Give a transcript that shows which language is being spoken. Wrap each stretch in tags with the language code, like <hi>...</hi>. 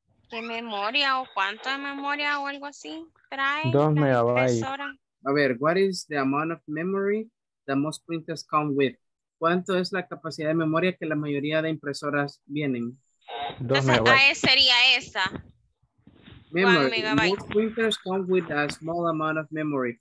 <es>¿Qué memoria o cuánto de memoria o algo así trae? Dos megabytes. A ver,</es> <en>what is the amount of memory that most printers come with?</en> <es>¿Cuánto es la capacidad de memoria que la mayoría de impresoras vienen? Dos megabytes. Sería esa.</es> <en>Memory. Most printers come with a small amount of memory.</en>